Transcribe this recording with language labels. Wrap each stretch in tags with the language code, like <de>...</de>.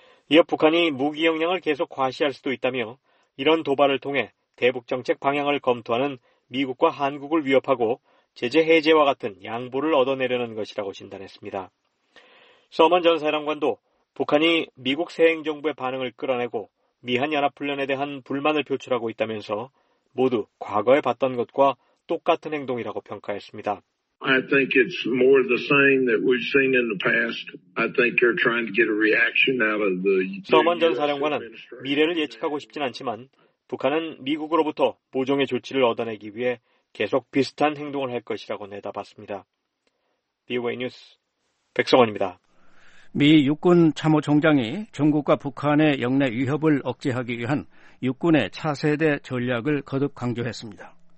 <ko>이어 북한이 무기 역량을 계속 과시할 수도 있다며 이런 도발을 통해 대북정책 방향을 검토하는 미국과 한국을 위협하고 제재 해제와 같은 양보를 얻어내려는 것이라고 진단했습니다. 서먼 전 사령관도 북한이 미국 새 행정부의 반응을 끌어내고 미한연합훈련에 대한 불만을 표출하고 있다면서 모두 과거에 봤던 것과 똑같은 행동이라고 평가했습니다.</ko> <en>I think it's more the same that we've seen in the past. I think you're trying to get a reaction out of the</en> <ko>서먼 전 사령관은 미래를 예측하고 싶진 않지만 북한은 미국으로부터 모종의 조치를 얻어내기 위해 계속 비슷한 행동을 할 것이라고 내다봤습니다. BOA 뉴스 백성원입니다. 미 육군 참모총장이 중국과 북한의 영내 위협을 억제하기 위한 육군의 차세대 전략을 거듭 강조했습니다.</ko>